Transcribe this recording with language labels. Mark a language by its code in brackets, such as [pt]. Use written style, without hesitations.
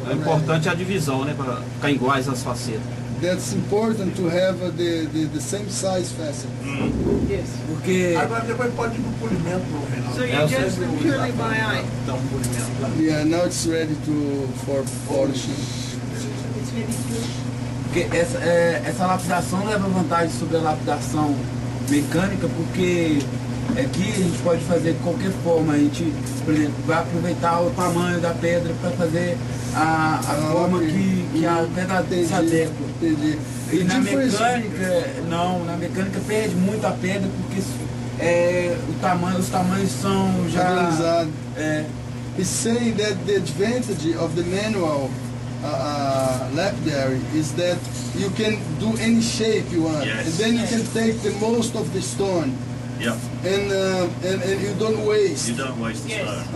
[pt] É importante a divisão, né, para ficar iguais as facetas. [en] That's important to have the same size facet. Yes. [pt] Porque... Agora depois pode ir para o polimento, [en] Reinaldo. So you're just purely by eye? Yeah, now it's ready for polishing. It's ready to... [pt] Porque essa lapidação leva vantagem sobre a lapidação mecânica, porque aqui a gente pode fazer de qualquer forma. A gente, por exemplo, vai aproveitar o tamanho da pedra para fazer... A forma que a pedra se adequa. Entendi. E na mecânica, não, na mecânica perde muito a pedra porque os tamanhos são já... Organizado. [en] He's saying that the advantage of the manual lapidary is that you can do any shape you want. Yes. And then you can take the most of the stone. Yeah. And you don't waste. You don't waste the stone.